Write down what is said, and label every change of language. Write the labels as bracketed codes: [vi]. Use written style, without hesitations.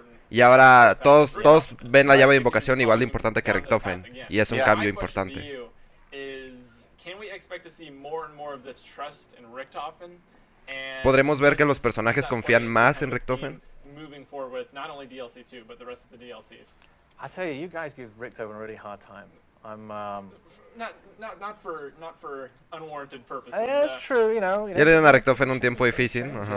[es] Y ahora todos ven la llave de invocación igual de importante que Richtofen, y es un cambio importante. [en] Can we expect to see more and more of this trust in Richtofen? [es] ¿Podremos ver que los personajes confían más en Richtofen? [en] I tell you, you guys give Richtofen a really hard time. Not for unwarranted purposes. That's true, [es] Ya le dan a Richtofen un tiempo difícil.